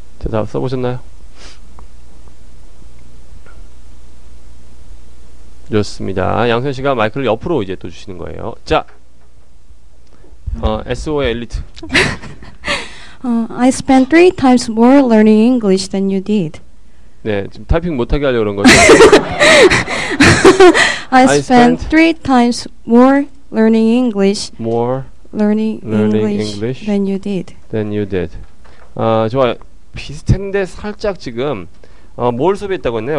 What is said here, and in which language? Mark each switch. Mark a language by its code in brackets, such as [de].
[ko] 다 써보셨나요? 좋습니다. 양선 씨가 마이크를 옆으로 이제 또 주시는 거예요. 자, SOA 엘리트. [en] I spent three times more learning English than you did. [ko] 네, 지금 타이핑 못하게 하려고 그런 거죠. [en] I spent three times more learning English. More learning English than you did. Than you did. [ko] 아, 좋아요. 비슷한데 살짝 지금 뭘 소비했다고 했나요?